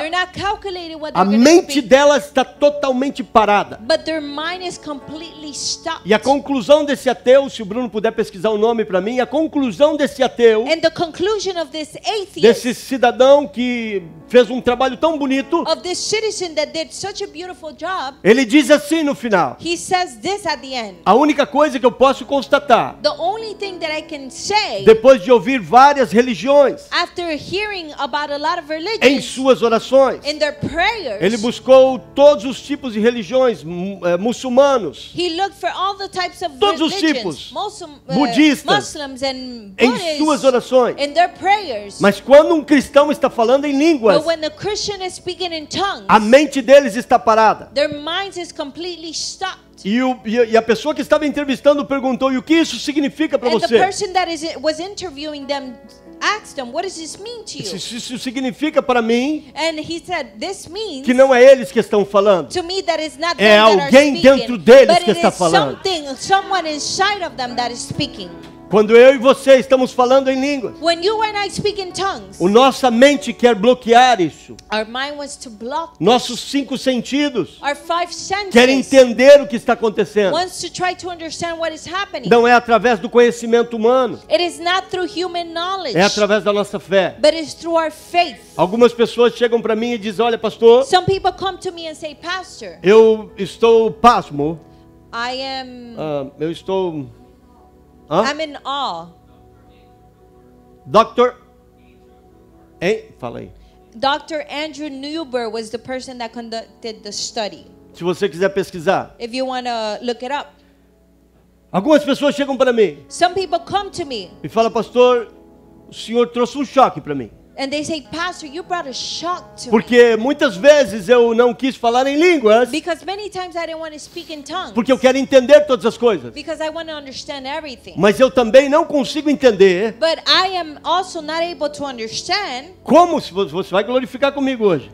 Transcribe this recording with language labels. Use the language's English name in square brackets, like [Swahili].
[English] They're not calculating what [Portuguese] a mente dela está totalmente parada. [English] But their mind is completely stopped. [Portuguese] E a conclusão desse ateu, se o Bruno puder pesquisar o nome para mim, a conclusão desse ateu, [English] and the conclusion of this atheist, [Portuguese] desse cidadão que fez um trabalho tão bonito, [English] of this citizen that did such a beautiful job, [Portuguese] ele diz assim, sim, no final. [English] He says this at the end. [Portuguese] A única coisa que eu posso constatar. [English] The only thing that I can say, [Portuguese] depois de ouvir várias religiões. [English] After hearing about a lot of religions, [Portuguese] em suas orações. [English] In their prayers, [Portuguese] ele buscou todos os tipos de religiões muçulmanos. [English] He looked for all the types of [Portuguese] todos [English] religions, [Portuguese] os tipos. Budistas. [English] Muslims and Buddhists, [Portuguese] em suas orações. [English] In their prayers. [Portuguese] Mas quando um cristão está falando em línguas. [English] But when the Christian is speaking in tongues, [Portuguese] a mente deles está parada. [English] Their minds is completely stopped. [Portuguese] E a pessoa que estava entrevistando perguntou: e o que isso significa para você? [English] The person that was interviewing them asked them, what does this mean to you? [Portuguese] Isso significa para mim? [English] And he said, this means [Portuguese] que não é eles que estão falando. [English] To me, that is not them [Portuguese] é [English] that [Portuguese] alguém [English] are [Portuguese] dentro [English] speaking, [Portuguese] deles que está falando. [English] But it is something, someone inside of them that is speaking. [Portuguese] Quando eu e você estamos falando em línguas, [English] when you and I speak in tongues, [Portuguese] o nossa mente quer bloquear isso. [English] Our mind wants to block this. [Portuguese] Nossos cinco sentidos, [English] our five senses, [Portuguese] quer entender o que está acontecendo. [English] Wants to try to understand what is happening. [Portuguese] Não é através do conhecimento humano. [English] It is not through human knowledge. [Portuguese] É através da nossa fé. [English] But it's through our faith. [Portuguese] Algumas pessoas chegam para mim e dizem: olha, pastor, [English] some people come to me and say, pastor, [Portuguese] eu estou pasmo. [English] I am... [Portuguese] Eu estou... [English] Huh? I'm in awe. [Portuguese] Dr. Fala aí. [English] Dr. Andrew Newber was the person that conducted the study. [Portuguese] Se você quiser pesquisar. [English] If you want to look it up. [Portuguese] Algumas pessoas chegam para mim. [English] Some people come to me. [Portuguese] E fala: pastor, o senhor trouxe um choque para mim. [English] And they say, pastor, you brought a shock to me. [Portuguese] Porque muitas vezes eu não quis falar em línguas. [English] Because many times I didn't want to speak in tongues. [Portuguese] Porque eu quero entender todas as coisas. [English] Because I want to understand everything. [Portuguese] Mas eu também não consigo entender. [English] But I am also not able to understand. [Portuguese] Como você vai glorificar comigo hoje?